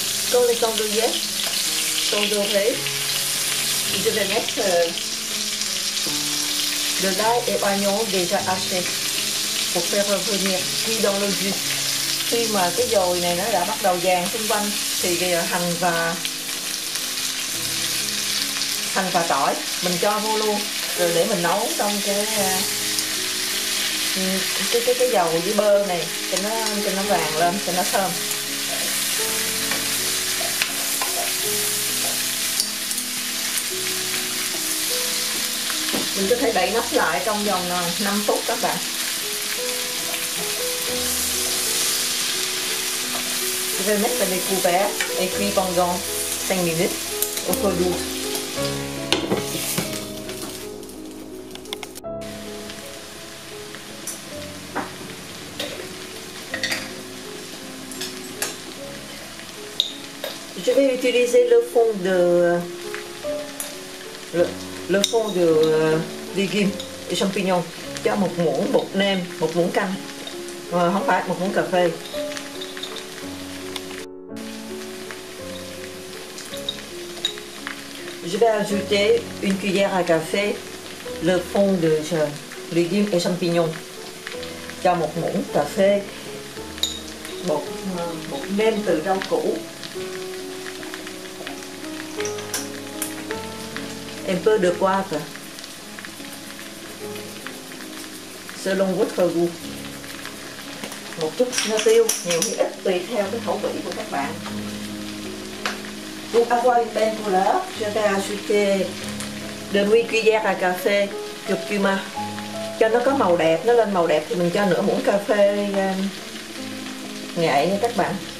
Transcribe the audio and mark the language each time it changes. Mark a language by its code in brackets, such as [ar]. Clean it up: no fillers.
[fr] Quand les andouillés sont dorés, vous devez mettre de l'ail et oignon déjà haché pour faire revenir cuit dans le jus. [vi] Khi mà cái dồi này nó đã bắt đầu vàng xung quanh thì bây giờ hành và tỏi mình cho vô luôn rồi để mình nấu trong cái dầu với bơ này cho nó vàng lên cho nó thơm. Mình có thể đậy nắp lại trong vòng 5 phút các bạn. [fr] Je vais mettre les couverts et cuire pendant 5 minutes au feu doux. Je vais utiliser le fond de légumes et champignons. [vi] Cho một muỗng bột nêm, một muỗng canh, không phải một muỗng cà phê. [fr] Je vais ajouter une cuillère à café le fond de légumes et champignons. [vi] Cho một muỗng cà phê, bột nêm từ rau củ. [fr] Un peu de poivre. Selon votre goût. [vi] Một chút nho tiêu, nhiều hay ít tùy theo cái khẩu vị của các bạn. [fr] Pour avoir une belle couleur, je vais ajouter demi-cuillère à café de cumin. [vi] Cho nó có màu đẹp, nó lên màu đẹp thì mình cho nửa muỗng cà phê nghệ nha các bạn.